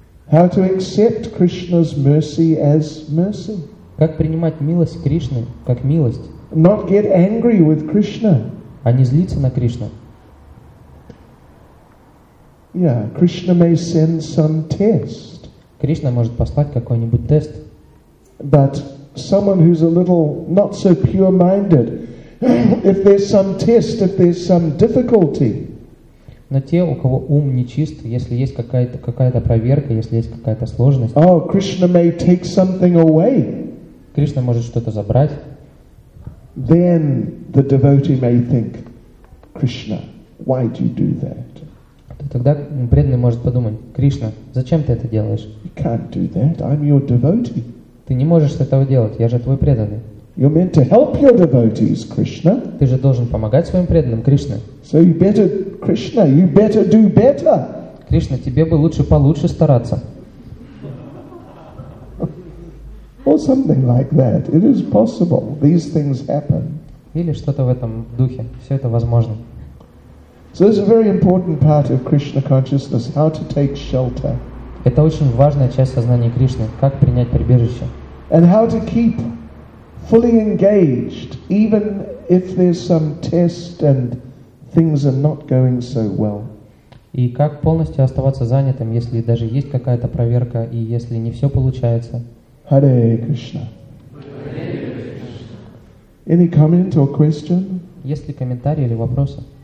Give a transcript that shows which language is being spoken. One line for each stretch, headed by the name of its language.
English: How to accept Krishna's mercy as mercy?
Russian: Как принимать милость Кришны как милость?
English: Not get angry with Krishna.
Russian: А не злиться на Кришну?
English: Yeah, Krishna may send some test.
Russian: Кришна может послать какой-нибудь тест.
English: But someone who's a little not so pure-minded, if there's some test, if there's some difficulty.
Russian: Но те, у кого ум нечист, если есть какая-то проверка, если есть какая-то сложность.
English: Oh, Krishna may take something away.
Russian: Кришна может что-то забрать.
English: Then the devotee may think, Krishna, why do you do that?
Russian: Тогда преданный может подумать: Кришна, зачем ты это делаешь?
English: You can't do that. I'm your devotee.
Russian: Ты не можешь этого делать. Я же твой преданный.
English: You're meant to help your devotees, Krishna.
Russian: Ты же должен помогать своим преданным, Кришна.
English: So you better, Krishna, you better do better.
Russian: Кришна, тебе бы лучше получше стараться.
English: Or something like that. It is possible. These things happen.
Russian: Или что-то в этом духе. Все это возможно.
English: So this is a very important part of Krishna consciousness, how to take shelter.
Russian: Это очень важная часть сознания Кришны, как принять прибежище.
English: And how to keep fully engaged, even if there's some test and things are not going so well.
Russian: И как полностью оставаться занятым, если даже есть какая-то проверка и если не все получается.
English: Hare Krishna. Any comment or question?
Russian: Есть ли комментарии или вопросы?